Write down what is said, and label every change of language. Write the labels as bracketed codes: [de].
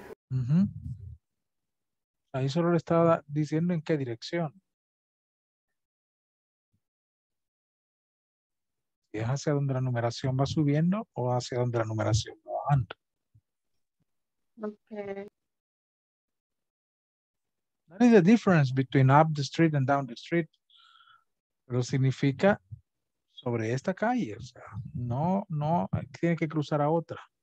[es] Uh-huh. Ahí solo le estaba diciendo en qué dirección. Si es hacia donde la numeración va subiendo o hacia donde la numeración va bajando. Ok. [en] That is the difference between up the street and down the street. [es] Pero significa sobre esta calle. O sea, no, tiene que cruzar a otra.